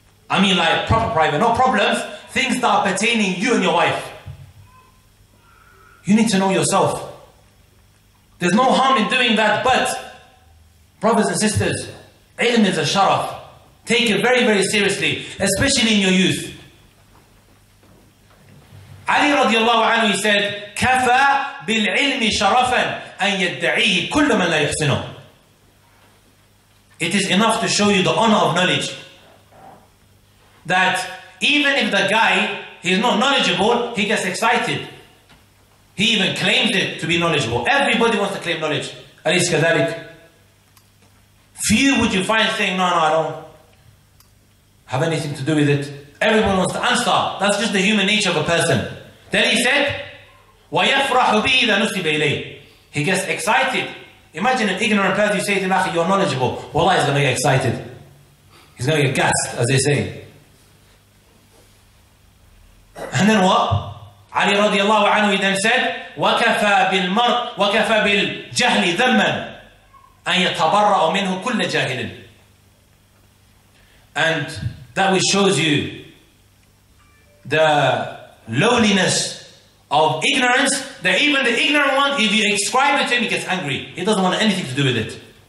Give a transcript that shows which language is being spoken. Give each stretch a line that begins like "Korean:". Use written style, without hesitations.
English: I mean like proper private, not problems, things that are pertaining you and your wife. You need to know yourself. There's no harm in doing that, but brothers and sisters, ilm is a sharaf. Take it very, very seriously, especially in your youth.
Arabic: Ali radiallahu anhu,
English: he said,
Arabic: كَفَى بِالْعِلْمِ شَرَفًا أَن يَدَّعِيهِ كُلَّ مَنْ لَا يَحْسِنُهُ.
English: It is enough to show you the honor of knowledge. That even if the guy, he's not knowledgeable, he gets excited. He even claims it to be knowledgeable. Everybody wants to claim knowledge.
Arabic: أليس كذلك؟
English: Few would you find saying, no, I don't have anything to do with it. Everyone wants to answer. That's just the human nature of a person. Then he said,
Arabic: وَيَفْرَحُ بِهِ إِذَا نُسِبَ إِلَيْهِ.
English: He gets excited. Imagine an ignorant person, you say to him, أخي, you're knowledgeable. Wallah, he's going to get excited. He's going to get gassed, as they say. And then what?
Arabic: Ali radiallahu anhu,
English: he then said,
Arabic: وَكَفَى بِالْمَرْءِ وَكَفَى بِالْجَهْلِ ذَمًّا أَنْ يَتَبَرَّأُ مِنْهُ كُلَّ جَاهِلٍ.
English: And that which shows you the lowliness of ignorance that even the ignorant one, if you ascribe it to him, he gets angry. He doesn't want anything to do with it.